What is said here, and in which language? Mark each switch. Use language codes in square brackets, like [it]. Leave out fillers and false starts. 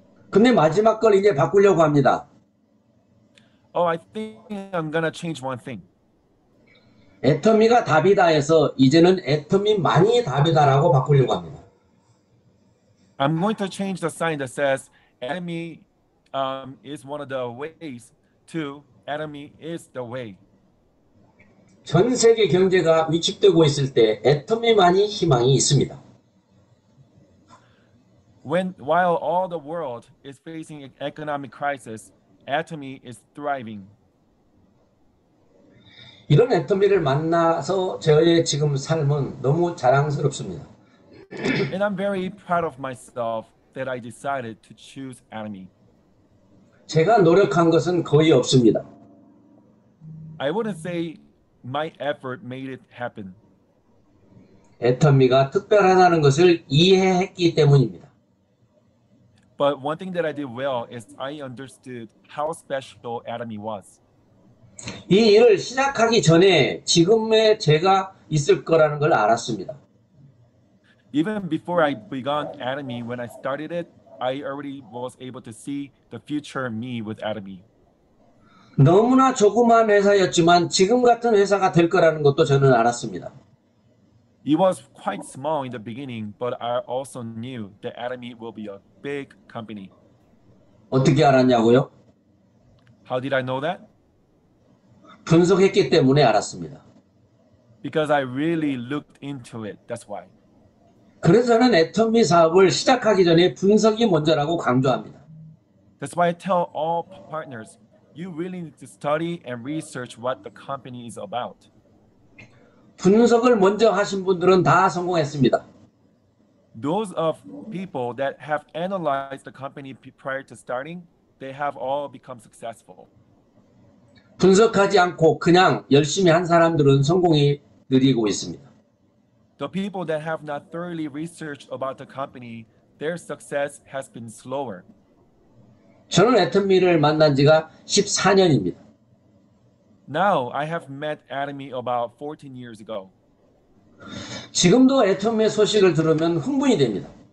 [ko] 근데 마지막 걸 이제 바꾸려고 합니다. [en] Oh, I think I'm going to change one thing. [ko] 애터미가 답이다에서 이제는 애터미만이 답이다라고 바꾸려고 합니다. [en] I'm going to change the sign that says Atomy is one of the ways to Atomy is the way. [ko] 전 세계 경제가 위축되고 있을 때 애터미만이 희망이 있습니다. [en] While all the world is facing economic crisis, Atomy is thriving. [ko] 이런 애터미를 만나서 저의 지금 삶은 너무 자랑스럽습니다. [en] And I'm very proud of myself that I decided to choose Atomy. [ko] 제가 노력한 것은 거의 없습니다. [en] I wouldn't say my effort made it happen. [ko] 애터미가 특별하다는 것을 이해했기 때문입니다. [en] But one thing that I did well is I understood how special Atomy was. [ko] 이 일을 시작하기 전에 지금의 제가 있을 거라는 걸 알았습니다. [en] Even before I began Atomy, when I started it, I already was able to see the future me with Atomy. [ko] 너무나 조그마한 회사였지만 지금 같은 회사가 될 거라는 것도 저는 알았습니다. [en] It was quite small in the beginning, but I also knew that Atomy will be a big company. [ko] 어떻게 알았냐고요? [en] How did I know that? [ko] 분석했기 때문에 알았습니다. [en] Because I really looked into it, that's why. [ko] 그래서 저는 애터미 사업을 시작하기 전에 분석이 먼저라고 강조합니다. [en] That's why I tell all partners, you really need to study and research what the company is about. [ko] 분석을 먼저 하신 분들은 다 성공했습니다. [en] Those of people that have analyzed the company prior to starting, they have all become successful. [ko] 분석하지 않고 그냥 열심히 한 사람들은 성공이 느리고 있습니다. [en] The people that have not thoroughly researched about the company, their success has been slower. [ko] 저는 애터미를 만난 지가 14년입니다. [en] Now, I have met Atomy about 14 years ago. [ko] 지금도 애터미의 소식을 들으면 흥분이 됩니다.